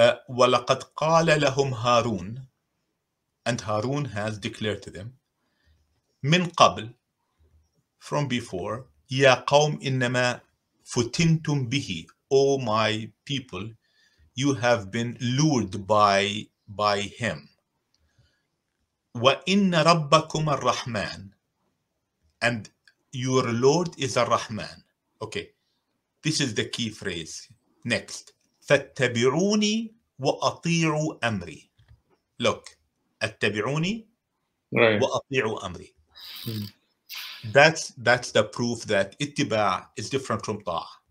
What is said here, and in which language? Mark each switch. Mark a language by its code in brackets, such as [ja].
[ar] وَلَقَدْ قَالَ لَهُمْ هَارُونَ, [en] and Harun has declared to them, [ar] مِنْ قَبْلِ, [en] from before, [ar] يَا قَوْمْ إِنَّمَا فُتِنْتُمْ بِهِ, [en] O my people, you have been lured by him. [ar] وَإِنَّ رَبَّكُمَ الرَّحْمَنِ, [en] and your Lord is a Rahman. Okay, this is the key phrase. [ar] Next, فَاتَّبِعُونِي وَأَطِيعُوا أَمْرِي. Look, اتَّبِعُونِي وَأَطِيعُوا أَمْرِي. [en] That's the proof that ittiba is different from ta'a.